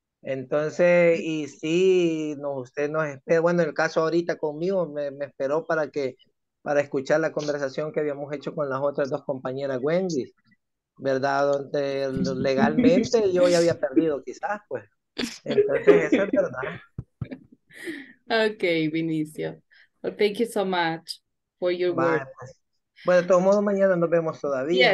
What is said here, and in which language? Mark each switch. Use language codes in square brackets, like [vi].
[es] Entonces, y sí, no, usted nos espera. Bueno, en el caso ahorita conmigo, me esperó para que para escuchar la conversación que habíamos hecho con las otras dos compañeras Wendy, ¿verdad? Donde legalmente yo ya había perdido, quizás, pues. Entonces, eso es verdad. Ok, Vinicio. [en] Well, thank you so much for your work. [es] Bueno, de todos modos, mañana nos vemos todavía.